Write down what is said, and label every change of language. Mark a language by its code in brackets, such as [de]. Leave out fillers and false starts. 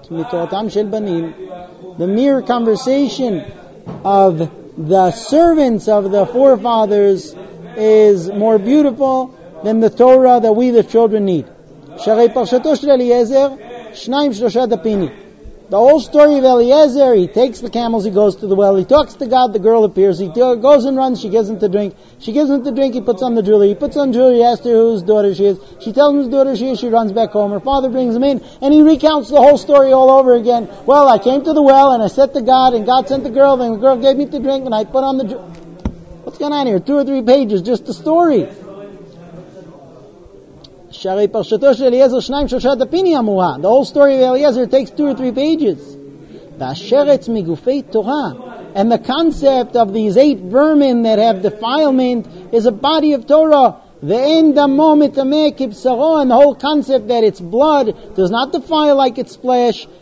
[en] The mere conversation of the servants of the forefathers is more beautiful than the Torah that we the children need. [he] שרי פרשתו של אליעזר, שניים שלושה דפיני. [en] The whole story of Eliezer, he takes the camels, he goes to the well, he talks to God, the girl appears, he goes and runs, she gives him to drink. She gives him to drink, he puts on the jewelry. He puts on jewelry, he asks her whose daughter she is. She tells him whose daughter she is, she runs back home. Her father brings him in, and he recounts the whole story all over again. Well, I came to the well, and I said to God, and God sent the girl, and the girl gave me to drink, and I put on the jewelry. What's going on here? Two or three pages, just the story. [he] שהרי פרשתו של אליעזר שניים שלושה דפיני אמורה. [en] The whole story of Eliezer takes two or three pages. [he] והשרץ מגופי תורה. [en] And the concept of these eight vermin that have defilement is a body of Torah. [he] ואין דמו מטמא כבשרו. [en] And the whole concept that its blood does not defile like its flesh.